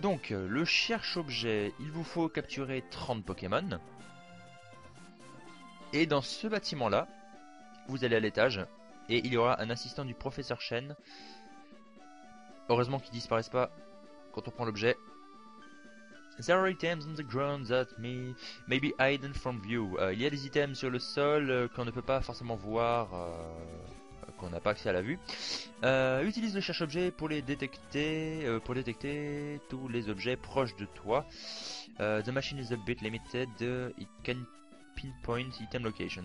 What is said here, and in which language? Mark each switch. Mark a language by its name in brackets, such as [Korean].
[French] Donc, le cherche-objet, il vous faut capturer 30 Pokémon. Et dans ce bâtiment-là, vous allez à l'étage, et il y aura un assistant du professeur Chen. Heureusement qu'ils disparaissent pas quand on prend l'objet. [English] There are items on the ground that may be hidden from view. [French] Il y a des items sur le sol qu'on ne peut pas forcément voir... qu'on n'a pas accès à la vue. Utilise le cherche-objet pour les détecter, pour détecter tous les objets proches de toi. [English] The machine is a bit limited. It can pinpoint item location.